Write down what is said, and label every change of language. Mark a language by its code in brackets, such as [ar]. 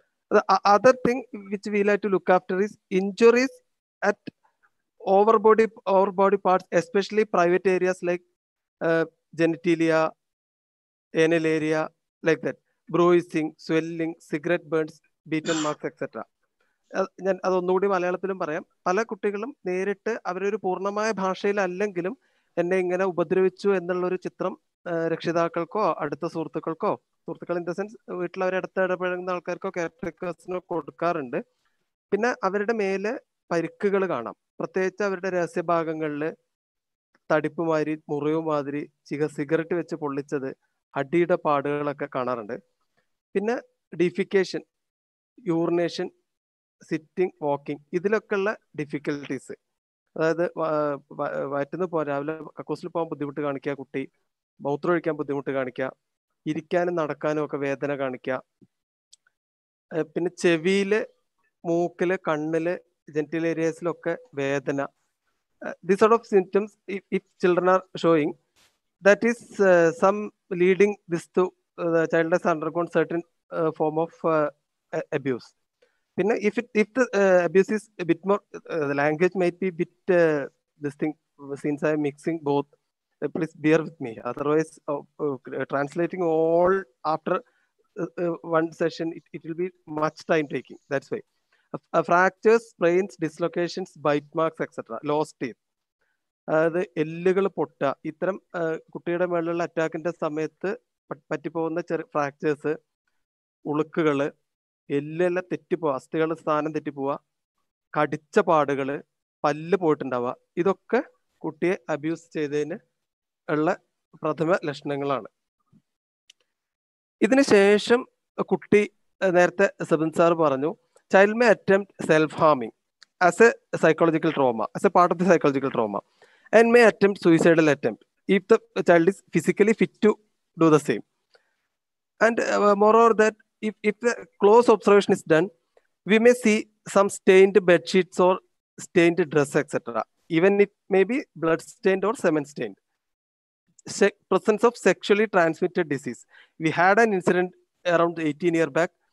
[en] The other thing which we like to look after is injuries at over body parts, especially private areas like genitalia, anal area, like that, bruising, swelling, cigarette burns, beaten marks, etc. [ml] ഞാൻ അതൊന്നുകൂടി മലയാളത്തിലും പറയാം. പല കുട്ടികളും നേരിട്ട് അവരൊരു പൂർണ്ണമായ ഭാഷയിൽ അല്ലെങ്കിലും എന്നെ ഇങ്ങനെ ഉപദ്രവിച്ചു എന്നുള്ള ഒരു ചിത്രം രക്ഷിതാക്കൾക്കോ അടുത്ത സുഹൃത്തുക്കൾക്കോ, സുഹൃത്തുക്കൾ [en] in the sense [ml] വീട്ടിലവരെ അടുത്ത് ഇടപഴകുന്ന ആൾക്കാർക്കോ കേട്ടോ കൊടുക്കാറുണ്ട്. പിന്നെ അവരുടെ മേലെ പരിക്കുകൾ കാണാം, പ്രത്യേകിച്ച് അവരുടെ രഹസ്യഭാഗങ്ങളിൽ തടിപ്പ് മാതിരി, മുറിവ് മാതിരി, സിഗരറ്റ് വെച്ച് പൊള്ളിച്ചത്, അടിയുടെ പാടുകളൊക്കെ കാണാറുണ്ട്. പിന്നെ defecation, urination, sitting, walking, ഇതിലൊക്കെയുള്ള difficulties, അതായത് വയറ്റുന്ന പോ രാവിലെ കക്കൂസിൽ പോകാൻ ബുദ്ധിമുട്ട് കാണിക്കുക, കുട്ടി മൂത്രം ഒഴിക്കാൻ ബുദ്ധിമുട്ട് കാണിക്കുക, ഇരിക്കാനും നടക്കാനും ഒക്കെ വേദന കാണിക്കുക, പിന്നെ ചെവിയില്, മൂക്കില്, കണ്ണില്, ജെന്റിൽ ഏരിയസിലൊക്കെ വേദന. [en] These sort of symptoms, if children are showing, that is some leading this to the child has undergone certain form of abuse. Then if the abuse is a bit more, the language might be a bit this thing, since I am mixing both, please bear with me. Otherwise, translating all after one session, it will be much time taking. That's why. Fractures, sprains, dislocations, bite marks, etc., lost teeth, [ml] അതായത് എല്ലുകൾ പൊട്ട, ഇത്തരം കുട്ടിയുടെ മേളിലുള്ള അറ്റാക്കിന്റെ സമയത്ത് പറ്റിപ്പോകുന്ന ചെറിയ fractures, ഉളുക്കുകള്, എല്ലെല്ലാം തെറ്റിപ്പോവുക, അസ്ഥികളുടെ സ്ഥാനം തെറ്റിപ്പോവുക, കടിച്ച പാടുകള്, പല്ല് പോയിട്ടുണ്ടാവുക, ഇതൊക്കെ കുട്ടിയെ അബ്യൂസ് ചെയ്തതിന് ഉള്ള പ്രഥമ ലക്ഷണങ്ങളാണ്. ഇതിനുശേഷം കുട്ടി, നേരത്തെ സബിൻ സാർ പറഞ്ഞു, [en] Child may attempt self ഹാമിങ് as A psychological trauma, as A part of the psychological trauma, and may attempt suicidal attempt if the child is physically fit to do the same. And moreover, that if the close observation is done, we may see some stained bed sheets or stained dress, etc., even it may be blood stained or semen stained. presence of sexually transmitted disease. We had an incident around 18 years back.